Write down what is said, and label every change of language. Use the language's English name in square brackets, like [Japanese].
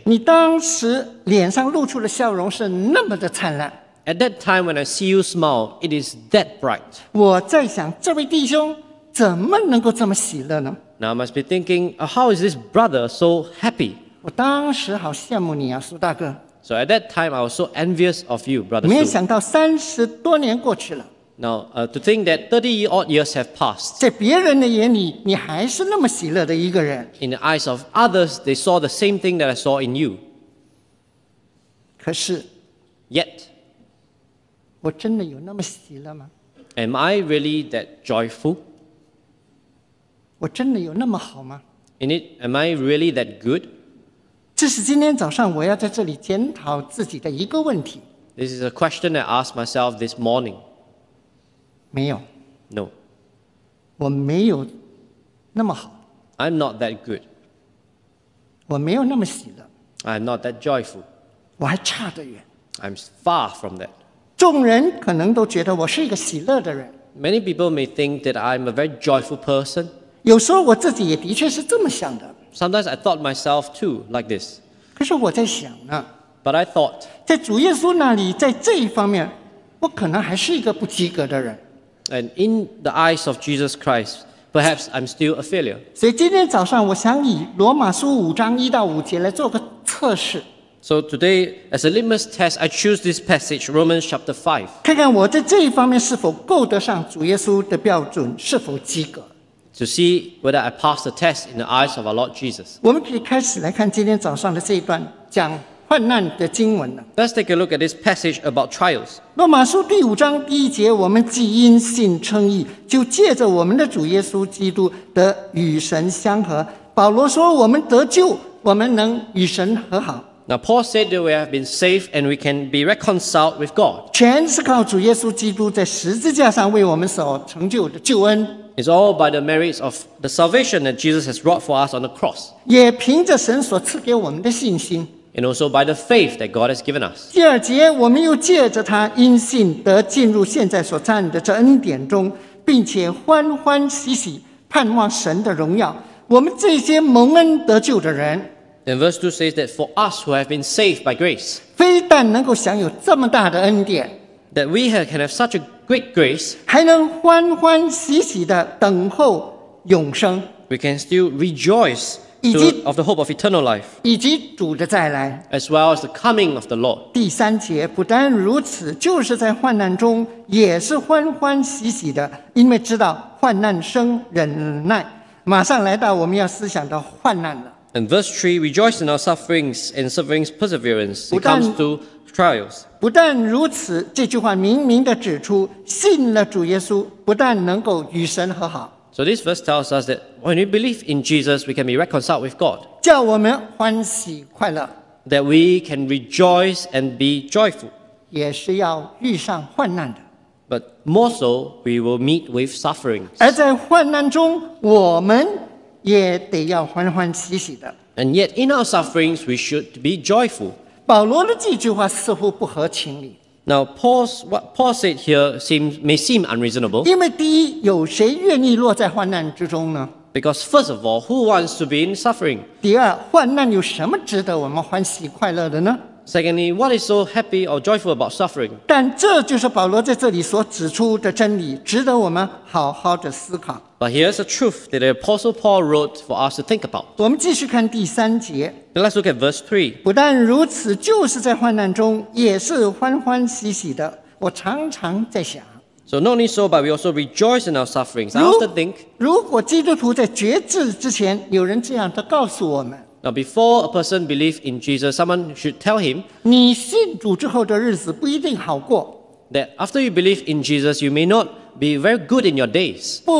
[Chinese] 你当时脸上露出的笑容是那么的灿烂 [English] At that time when I see you smile, it is that bright. [Chinese] 我在想这位弟兄怎么能够这么喜乐呢 [English] Now I must be thinking, how is this brother so happy? [Chinese] 我当时好羡慕你啊苏大哥 [English] So at that time, I was so envious of you, brother Su. [Chinese] 没想到三十多年过去了 [English] Now, to think that 30 odd years have passed. [Chinese] 在别人的眼里你还是那么喜乐的一个人 [English] In the eyes of others, they saw the same thing that I saw in you. [Chinese] 可是 [English] Yet, [Chinese] 我真的有那么喜乐吗 [English] Am I really that joyful? [Chinese] 我真的有那么好吗 [English] Am I really that good? [Chinese] 这是今天早上我要在这里检讨自己的一个问题。 [English] This is a question I asked myself this morning. [Chinese] 没有。 [English] No. [Chinese] 我没有那么好。 [English] I'm not that good. [Chinese] 我没有那么喜乐。 [English] I'm not that joyful. [Chinese] 我还差得远。 [English] I'm far from that. [Chinese] 众人可能都觉得我是一个喜乐的人。 [English] Many people may think that I'm a very joyful person. [Chinese] 有时候我自己也的确是这么想的。 [English] Sometimes I thought myself too, like this. [Chinese] 可是我在想呢。 [English] But I thought. [Chinese] 在主耶稣那里，在这一方面，我可能还是一个不及格的人。 [English] And in the eyes of Jesus Christ, perhaps I'm still a failure. [Chinese] 所以今天早上，我想以罗马书五章一到五节来做个测试。 [English] So today, as a litmus test, I choose this passage, Romans chapter 5. [Chinese] 看看我在这一方面是否够得上主耶稣的标准，是否及格。 [English] To see whether I pass the test in the eyes of our Lord Jesus. [Chinese] 我们可以开始来看今天早上的这一段讲患难的经文了。 [English] Let's take a look at this passage about trials. [Chinese] 罗马书第五章第一节，我们既因信称义，就借着我们的主耶稣基督得与神相合。保罗说，我们得救，我们能与神和好。 [English] Now Paul said that we have been saved and we can be reconciled with God. [Chinese] 全是靠主耶稣基督在十字架上为我们所成就的救恩。 [English] It's all by the merits of the salvation that Jesus has wrought for us on the cross. [Chinese] 也凭着神所赐给我们的信心。 [English] And also by the faith that God has given us. [Chinese] 第二节，我们又借着他因信得进入现在所站的这恩典中，并且欢欢喜喜盼望神的荣耀。我们这些蒙恩得救的人 [English] Then verse 2 says that for us who have been saved by grace, [Chinese] 非但能够享有这么大的恩典 [English] that we can have such a great grace, [Chinese] 还能欢欢喜喜地等候永生 [English] we can still rejoice of the hope of eternal life, [Chinese] 以及主的再来 [English] as well as the coming of the Lord. [Chinese] 第三节不单如此，就是在患难中也是欢欢喜喜的，因为知道患难生忍耐。马上来到我们要思想的患难了。 [English] And verse 3, rejoice in our sufferings and sufferings perseverance. It comes to trials. [Chinese] 不但如此，这句话明明地指出，信了主耶稣，不但能够与神和好。 [English] So this verse tells us that when we believe in Jesus, we can be reconciled with God. [Chinese] 叫我们欢喜快乐。 [English] That we can rejoice and be joyful. [Chinese] 也是要遇上患难的。 [English] But more so, we will meet with sufferings. [Chinese] 而在患难中，我们也得要欢欢喜喜的。 [English] And yet in our sufferings, we should be joyful. [Chinese] 保罗的这句话似乎不合情理。 [English] Now, what Paul said here may seem unreasonable. [Chinese] 因为第一，有谁愿意落在患难之中呢？ [English] Because first of all, who wants to be in suffering? [Chinese] 第二，患难有什么值得我们欢喜快乐的呢？ [English] Secondly, what is so happy or joyful about suffering? [Chinese] 但这就是保罗在这里所指出的真理，值得我们好好的思考。 [English] But here's the truth that the Apostle Paul wrote for us to think about. [Chinese] 我们继续看第三节。 [English] Let's look at verse 3. [Chinese] 不但如此，就是在患难中也是欢欢喜喜的。我常常在想。 [English] So not only so, but we also rejoice in our sufferings. I often think. [Chinese] 如果基督徒在决志之前有人这样的告诉我们。 [English] Now before a person believes in Jesus, someone should tell him. [Chinese] 你信主之后的日子不一定好过。 [English] That after you believe in Jesus, you may not be very good in your days.